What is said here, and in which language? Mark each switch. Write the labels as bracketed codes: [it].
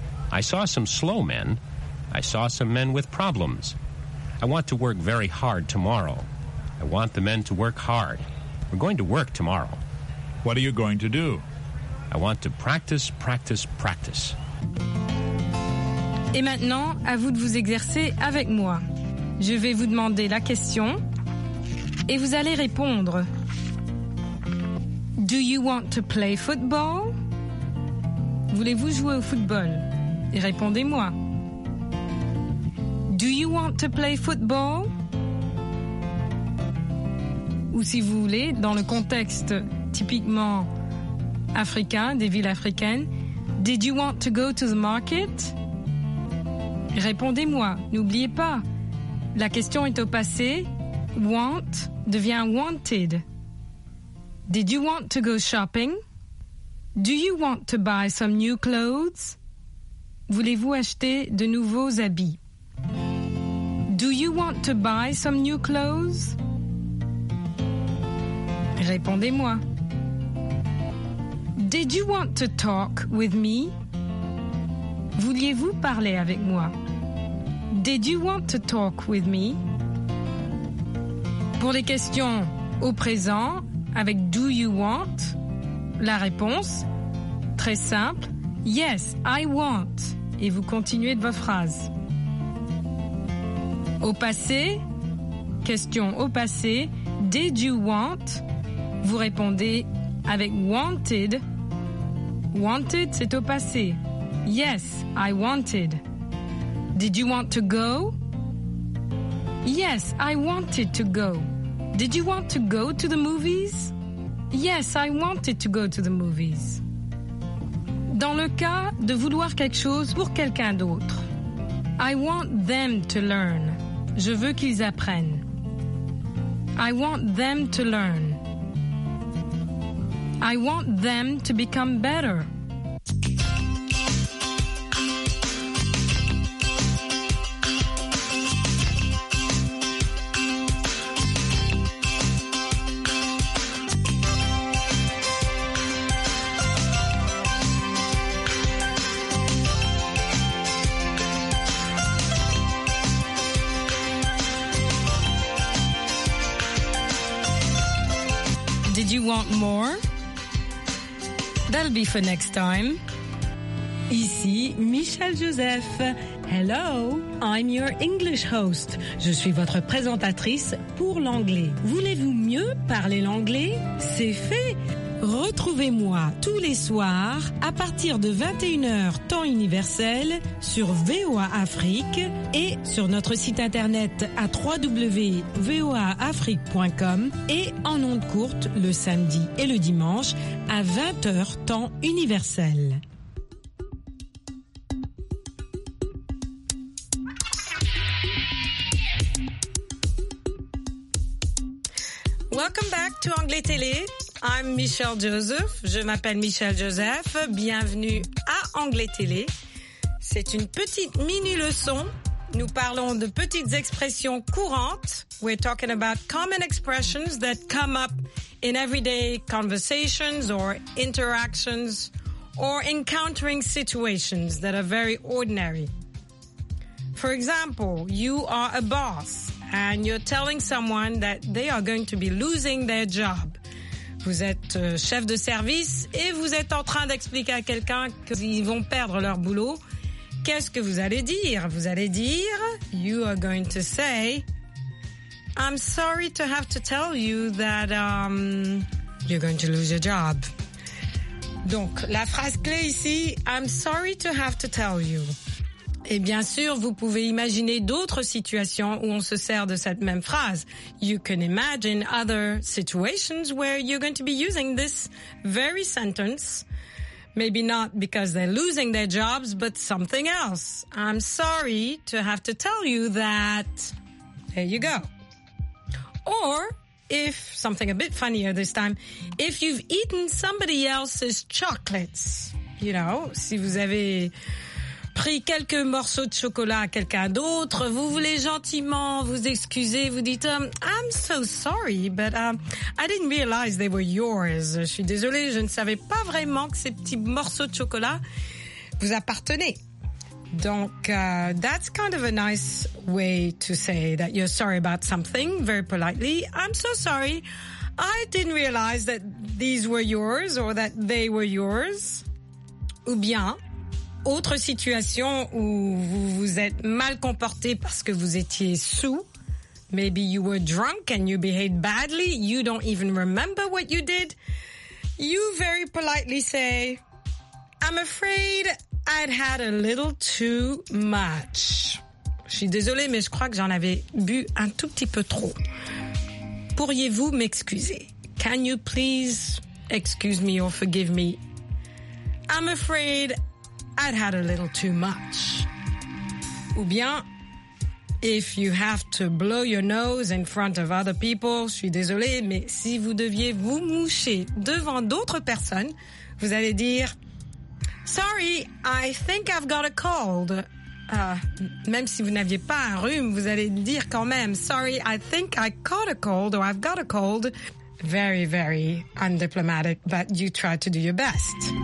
[en] I saw some slow men. I saw some men with problems. I want to work very hard tomorrow. I want the men to work hard. We're going to work tomorrow. What are you going to do? I want to practice, practice, practice. [fr] Et maintenant, à vous de vous exercer avec moi. Je vais vous demander la question et vous allez répondre. [en] Do you want to play football? [fr] Voulez-vous jouer au football? Et répondez-moi. [en] Do you want to play football? [fr] Ou si vous voulez, dans le contexte typiquement africain, des villes africaines, [en] did you want to go to the market? [fr] Répondez-moi, n'oubliez pas. La question est au passé. Want devient wanted. [en] Did you want to go shopping? Do you want to buy some new clothes? [fr] Voulez-vous acheter de nouveaux habits? [en] Do you want to buy some new clothes? [fr] Répondez-moi. [en] Did you want to talk with me? [fr] Vouliez-vous parler avec moi? [en] Did you want to talk with me? [fr] Pour les questions au présent, avec [en] do you want, [fr] la réponse, très simple, [en] yes, I want, [fr] et vous continuez de votre phrase. Au passé, question au passé, [en] did you want, [fr] vous répondez avec wanted. [en] Wanted, [fr] c'est au passé. [en] Yes, I wanted. Did you want to go? Yes, I wanted to go. Did you want to go to the movies? Yes, I wanted to go to the movies. [fr] Dans le cas de vouloir quelque chose pour quelqu'un d'autre. [en] I want them to learn. [fr] Je veux qu'ils apprennent. [en] I want them to learn. I want them to become better. Want more? That'll be for next time. Ici Michel Joseph. Hello, I'm your English host. [fr] Je suis votre présentatrice pour l'anglais. Voulez-vous mieux parler l'anglais? C'est fait. Retrouvez-moi tous les soirs à partir de 21h temps universel sur VOA Afrique et sur notre site internet à www.voaafrique.com et en ondes courtes le samedi et le dimanche à 20h temps universel. [en] Welcome back to Anglais Télé. I'm Michelle Joseph. [fr] Je m'appelle Michelle Joseph. Bienvenue à Anglais Télé. C'est une petite mini-leçon. Nous parlons de petites expressions courantes. [en] We're talking about common expressions that come up in everyday conversations or interactions or encountering situations that are very ordinary. For example, you are a boss and you're telling someone that they are going to be losing their job. [fr] Vous êtes chef de service et vous êtes en train d'expliquer à quelqu'un qu'ils vont perdre leur boulot. Qu'est-ce que vous allez dire? Vous allez dire, [en] you are going to say, I'm sorry to have to tell you that you're going to lose your job. [fr] Donc, la phrase clé ici, [en] I'm sorry to have to tell you. [fr] Et bien sûr, vous pouvez imaginer d'autres situations où on se sert de cette même phrase. [en] You can imagine other situations where you're going to be using this very sentence. Maybe not because they're losing their jobs, but something else. I'm sorry to have to tell you that. There you go. Or, if something a bit funnier this time, if you've eaten somebody else's chocolates, you know, [fr] si vous avez pris quelques morceaux de chocolat à quelqu'un d'autre, vous voulez gentiment vous excuser, vous dites [en] I'm so sorry, but I didn't realize they were yours. [fr] Je suis désolée, je ne savais pas vraiment que ces petits morceaux de chocolat vous appartenaient. Donc, [en] that's kind of a nice way to say that you're sorry about something, very politely. I'm so sorry, I didn't realize that these were yours or that they were yours. [fr] Ou bien, autre situation où vous vous êtes mal comporté parce que vous étiez sous. [en] Maybe you were drunk and you behaved badly. You don't even remember what you did. You very politely say, I'm afraid I'd had a little too much. [fr] Je suis désolée, mais je crois que j'en avais bu un tout petit peu trop. Pourriez-vous m'excuser? [en] Can you please excuse me or forgive me? I'm afraid I'd had a little too much. [fr] Ou bien, [en] if you have to blow your nose in front of other people, [fr] je suis désolée, mais si vous deviez vous moucher devant d'autres personnes, vous allez dire, [en] sorry, I think I've got a cold. [fr] Même si vous n'aviez pas un rhume, vous allez dire quand même, [en] sorry, I think I caught a cold or I've got a cold. Very, very undiplomatic, but you try to do your best.